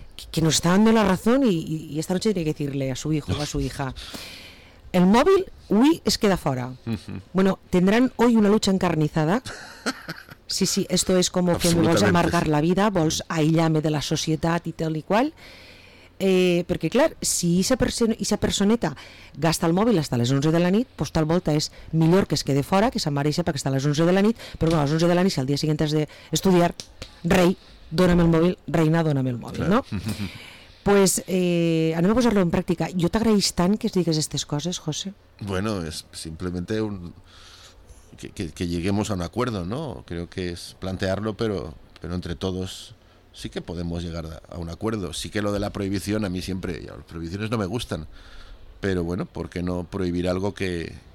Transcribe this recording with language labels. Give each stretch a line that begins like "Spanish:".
Spanish: Que nos está dando la razón y esta noche tiene que decirle a su hijo o a su hija... El móvil, uy,
Catalan: es queda
Spanish: fuera. Bueno, tendrán hoy una lucha encarnizada. Sí, sí, esto es como que me vas a amargar la vida, vos aíllame de la sociedad y tal y cual.
Catalan: Perquè clar, si aquesta personeta gasta el mòbil fins a les 11 de la nit, pues, tal volta és millor que es quede fora, que se'n mereixi perquè està a les 11 de la nit, però bueno, a les 11 de la nit, si el dia següent has d'estudiar, rei, dóna'm el mòbil, reina, dóna'm el mòbil, no? Pues anem a posar-lo en pràctica. Jo t'agraeix tant que es digues aquestes coses, José. Bueno, és simplement un...
Spanish: que lleguemos a un acuerdo, ¿no? Creo que es plantearlo, pero entre todos sí que podemos llegar a un acuerdo. Sí que lo de la prohibición a mí siempre, ya, las prohibiciones no me gustan, pero bueno, ¿por qué no prohibir algo que...